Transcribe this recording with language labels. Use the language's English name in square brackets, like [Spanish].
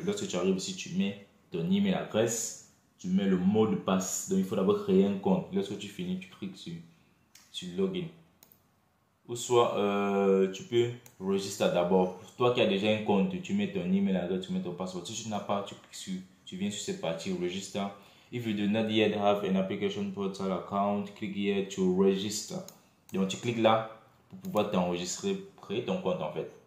[French] Lorsque tu arrives ici, tu mets ton email adresse. Tu mets le mot de passe. Donc, il faut d'abord créer un compte. Lorsque tu finis, tu cliques sur login. Ou soit, tu peux register d'abord. Pour toi qui as déjà un compte, tu mets ton email address, tu mets ton password. Si tu n'as pas, tu viens sur cette partie, register. [English] If you do not yet have an application portal account, click here to register. [French] Donc, tu cliques là pour pouvoir t'enregistrer, créer ton compte en fait.